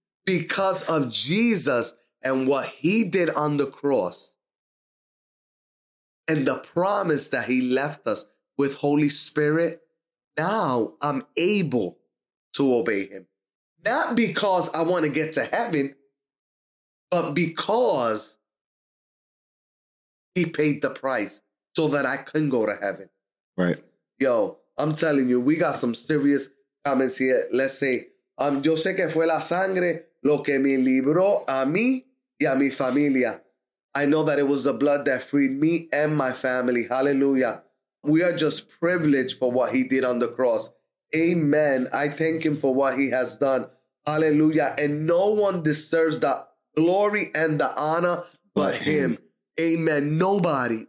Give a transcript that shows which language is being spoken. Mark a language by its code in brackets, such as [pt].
[en] Because of Jesus and what he did on the cross and the promise that he left us with Holy Spirit, now I'm able to obey him. Not because I want to get to heaven, but because he paid the price so that I can go to heaven. Right. Yo, I'm telling you, we got some serious comments here. Let's say, [es] yo sé que fue la sangre lo que me libró a mí y a mi familia. [en] I know that it was the blood that freed me and my family. Hallelujah. We are just privileged for what he did on the cross. Amen. I thank him for what he has done. Hallelujah. And no one deserves the glory and the honor but him. Amen. Nobody.